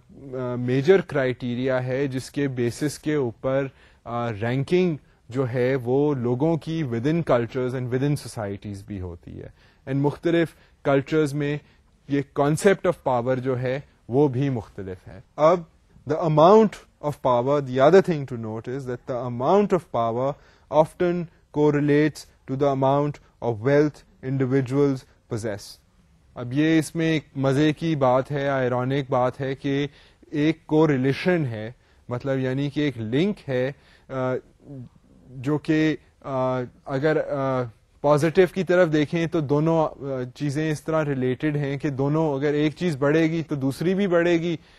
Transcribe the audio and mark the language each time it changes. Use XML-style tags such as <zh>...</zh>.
<ur>Major criteria ہے جس کے بیسس کے اوپر رینکنگ جو ہے وہ لوگوں کی with in cultures and with in societies بھی ہوتی ہے. اینڈ مختلف کلچرز میں یہ کانسیپٹ آف پاور جو ہے وہ بھی مختلف ہے.</ur> <en>اب the amount of power, the other thing to note is that the amount of power often correlates to the amount of wealth individuals possess.</en> <ur>اب یہ اس میں ایک مزے کی بات ہے, آئرونک بات ہے کہ ایک کو ریلیشن ہے, مطلب یعنی کہ ایک لنک ہے جو کہ اگر پازیٹو کی طرف دیکھیں تو دونوں چیزیں اس طرح ریلیٹڈ ہیں کہ دونوں اگر ایک چیز بڑھے گی تو دوسری بھی بڑھے گی.</ur>